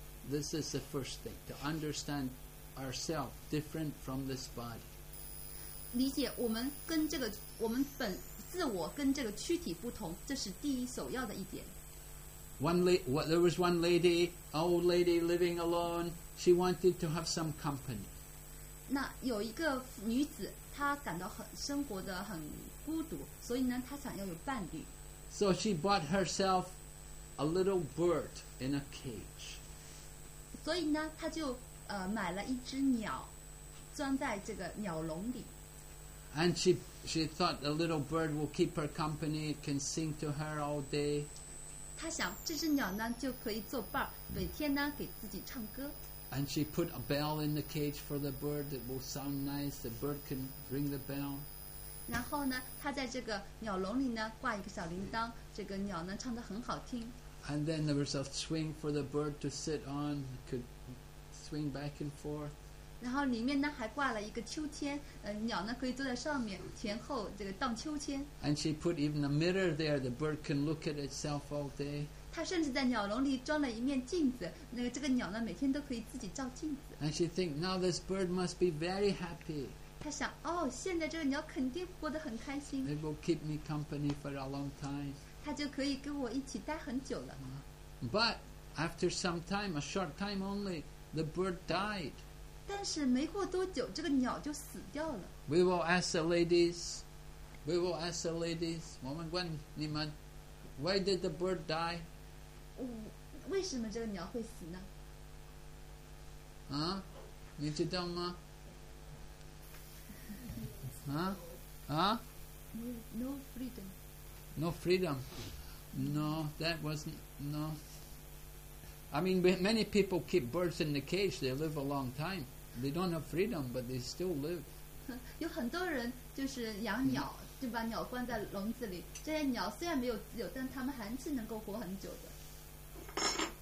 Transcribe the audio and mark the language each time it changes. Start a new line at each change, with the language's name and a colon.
English: This is the first thing, to understand ourselves different from this body.
Chinese: 理解我们跟这个我们本自我跟这个躯体不同，这是第一首要的一点。
English: There was one lady, old lady living alone. She wanted to have some company.
Chinese: 那有一个女子，她感到很生活的很孤独，所以呢，她想要有伴侣。
English: So she bought herself a little bird in a cage.
Chinese: 所以呢，她就买了一只鸟，装在这个鸟笼里。
English: And she thought the little bird will keep her company, can sing to her all day.
Chinese: 她想这只鸟呢就可以作伴，每天呢给自己唱歌。
English: And she put a bell in the cage for the bird that will sound nice. The bird can ring the bell.
Chinese: 然后呢，她在这个鸟笼里呢挂一个小铃铛，这个鸟呢唱得很好听。
English: And then there was a swing for the bird to sit on. It could swing back and forth.
Chinese: 然后里面呢还挂了一个秋千，鸟呢可以坐在上面，前后这个荡秋千。
English: And she put even a mirror there, the bird can look at itself all day.
Chinese: 她甚至在鸟笼里装了一面镜子，那个这个鸟呢每天都可以自己照镜子。
English: And she think now this bird must be very happy.
Chinese: 她想哦，现在这个鸟肯定过得很开心。
English: It will keep me company for a long time.
Chinese: 它就可以跟我一起待很久了。
English: But after some time, a short time only, the bird died.
Chinese: 但是没过多久，这个鸟就死掉了。
English: We will ask the ladies. We will ask the ladies.
Chinese: 我们问你们 ，
English: Why did the bird die？
Chinese: 为什么这个鸟会死呢？啊，你知道吗？啊啊
English: ？No freedom. No freedom. No, that wasn't no. I mean, many people keep birds in the cage. They live a long time. They don't have freedom, but they still live.
Chinese: 有很多人就是养鸟，就把鸟关在笼子里。这些鸟虽然没有自由，但它们还是能够活很久的。